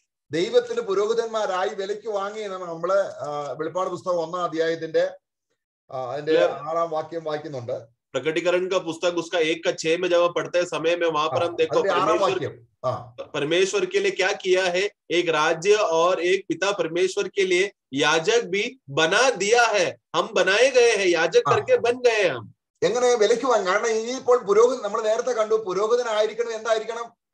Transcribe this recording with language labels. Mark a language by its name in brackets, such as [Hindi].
[Malayalam] ദൈവത്തിന് പുരോഹിതന്മാരായി വിലയ്ക്ക് വാങ്ങിയെന്നാണ് നമ്മള് വെളിപ്പാട് പുസ്തകം 1:6 അതിന്റെ 6 വാക്യം വായിക്കുന്നുണ്ട്। [Hindi] प्रकटीकरण का पुस्तक उसका 1:6 में जब पढ़ते हैं समय में, वहां पर हम देखो परमेश्वर, परमेश्वर के लिए क्या किया है, एक राज्य और एक पिता परमेश्वर के लिए याजक भी बना दिया है, हम बनाए गए हैं याजक करके बन गए हम। [Malayalam] എങ്ങനെ വിലയ്ക്ക് വാങ്ങണം? കാരണം ഇനി ഇപ്പോൾ പുരോഹിതൻ, നമ്മൾ നേരത്തെ കണ്ടു പുരോഹിതൻ ആയിരിക്കണം, എന്തായിരിക്കണം?